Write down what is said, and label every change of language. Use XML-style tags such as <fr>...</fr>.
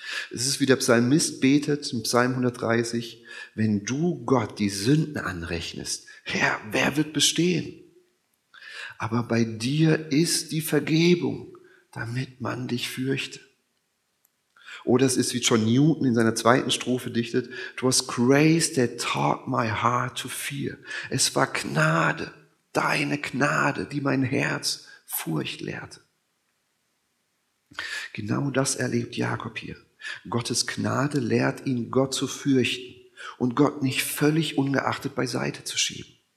<de>Es ist wie der Psalmist betet im Psalm 130, wenn du Gott die Sünden anrechnest, Herr, wer wird bestehen? Aber bei dir ist die Vergebung, damit man dich fürchte. Oder es ist wie John Newton in seiner 2. Strophe dichtet,</de> <en>it was grace that taught my heart to fear.</en> <de>Es war Gnade, deine Gnade, die mein Herz Furcht lehrte. Genau das erlebt Jakob hier. Gottes Gnade lehrt ihn, Gott zu fürchten und Gott nicht völlig ungeachtet beiseite zu schieben.</de>